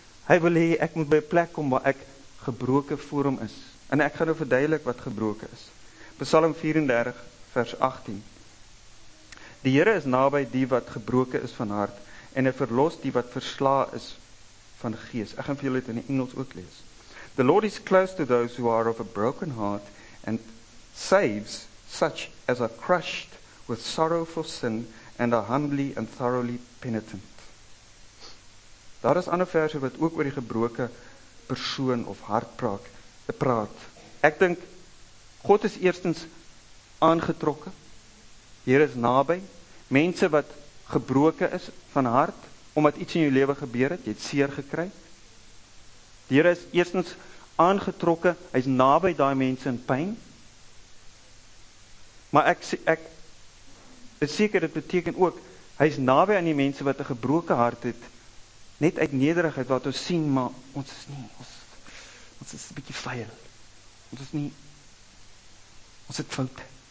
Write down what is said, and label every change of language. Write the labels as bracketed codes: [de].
[af] Hy wil hê ek moet by 'n plek kom waar ek gebroke voor hom is. En ek gaan nou verduidelik wat gebroke is. Psalm 34 vers 18. Die Here is naby die wat gebroke is van hart en hy verlos die wat versla is van gees. Ek gaan vir julle dit in die Engels ook lees. [en] The Lord is close to those who are of a broken heart and saves such as are crushed with sorrow for sin and are humbly and thoroughly penitent. [af] Daar is ander verse wat ook oor die gebroke persoon of hart praat. Ek dink, God is eerstens aangetrokke, Heer is nabij, mense wat gebroke is van hart, omdat iets in jou leven gebeur het, jy het seer gekry. Die Heer is eerstens aangetrokke, hy is nabij daai mense in pijn. Maar ek is seker, dit beteken ook, hy is nabij aan die mense wat 'n gebroke hart het, net uit nederigheid wat ons sien, maar ons is nie, ons is 'n bietjie vuil, ons is nie, ons het fout.